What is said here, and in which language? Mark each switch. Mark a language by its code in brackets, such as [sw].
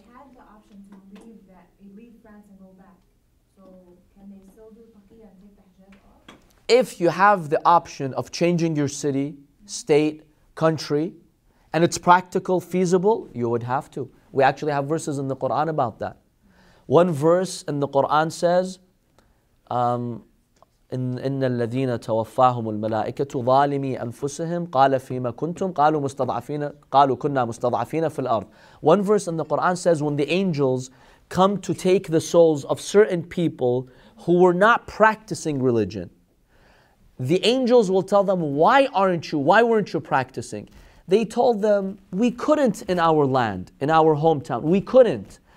[en] They had the option to leave France and go back. So can they still do taqiyya and take the hijab off? if you have the option of changing your city, state, country, and it's practical, feasible, you would have to. We actually have verses in the Quran about that. One verse in the Quran says, [ar] إِنَّ الَّذِينَ تَوَفَّاهُمُ الْمَلَائِكَةُ ظَالِمِي أَنفُسِهِمْ قَالَ فِيمَ كُنْتُمْ قَالُوا مُسْتَضْعَفِينَ قَالُوا كُنَّا مُسْتَضْعَفِينَ فِي الْأَرْضِ. [en] One verse in the Quran says, when the angels come to take the souls of certain people who were not practicing religion, the angels will tell them, why aren't you, why weren't you practicing? They told them, we couldn't in our land, in our hometown, we couldn't.